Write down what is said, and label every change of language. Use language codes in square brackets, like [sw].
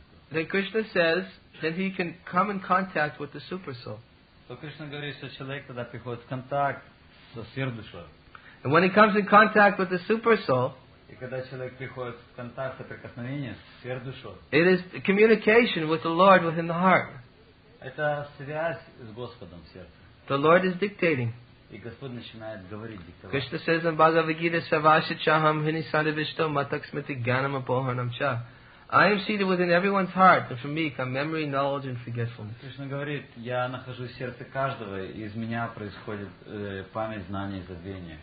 [en] then Krishna says that he can come in contact with the super soul. [ru] So Krishna говорит, что человек тогда приходит в контакт со сверхдушой. [en] And when he comes in contact with the super soul. [ru] И когда человек приходит в контакт и прикосновение с сверхдушой. [en] It is communication with the Lord within the heart. [ru] Это связь с Господом в сердце. [en] The Lord is dictating. [ru] И Господь начинает говорить, диктовать. [en] Krishna says in Bhagavad Gita, Savasya chaham hinisanavishto matak smriti ganam apoharnam cha. I am seated within everyone's heart, and from me come memory, knowledge, and forgetfulness. [ru] Krishna говорит, я нахожусь в сердце каждого, и из меня происходит память, знание, забвение.